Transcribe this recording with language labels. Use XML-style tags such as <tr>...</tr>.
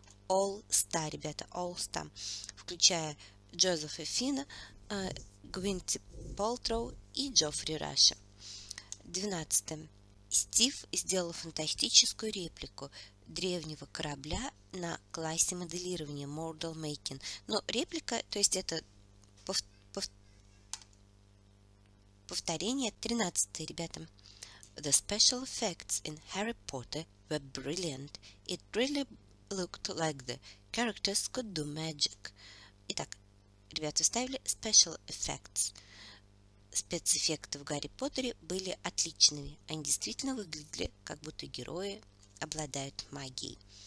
<ru>All-Star, ребята, All-Star, включая Джозефа Фина, Гвинти Полтроу и Джоффри Раша. 12. Стив сделал фантастическую реплику древнего корабля на классе моделирования Model Making. Но реплика, то есть это повторение. 13, ребята.</ru> <en>The special effects in Harry Potter were brilliant. It really looked like the characters could do magic.</en> <ru>Итак, ребята, ставили special effects. Спецэффекты в Гарри Поттере были отличными. Они действительно выглядели, как будто герои обладают магией.</ru>